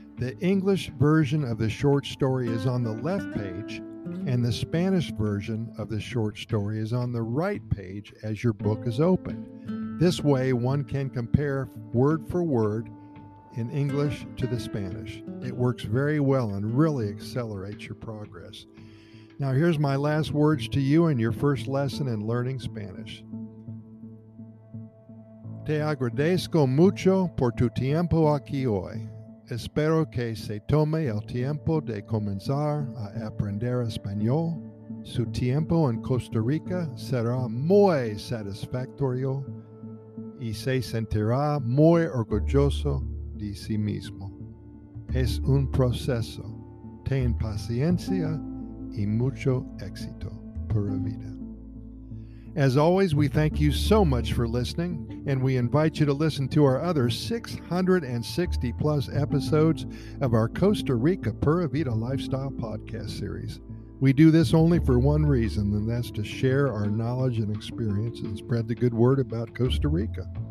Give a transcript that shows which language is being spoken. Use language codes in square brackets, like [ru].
[en] The English version of the short story is on the left page, and the Spanish version of the short story is on the right page as your book is open. This way, one can compare word for word in English to the Spanish. It works very well and really accelerates your progress. Now, here's my last words to you and your first lesson in learning Spanish. [es] Te agradezco mucho por tu tiempo aquí hoy. Espero que se tome el tiempo de comenzar a aprender español. Su tiempo en Costa Rica será muy satisfactorio y se sentirá muy orgulloso de sí mismo. Es un proceso. Ten paciencia y mucho éxito. Pura vida. [en] As always, we thank you so much for listening, and we invite you to listen to our other 660-plus episodes of our Costa Rica Pura Vida Lifestyle podcast series. We do this only for one reason, and that's to share our knowledge and experience and spread the good word about Costa Rica.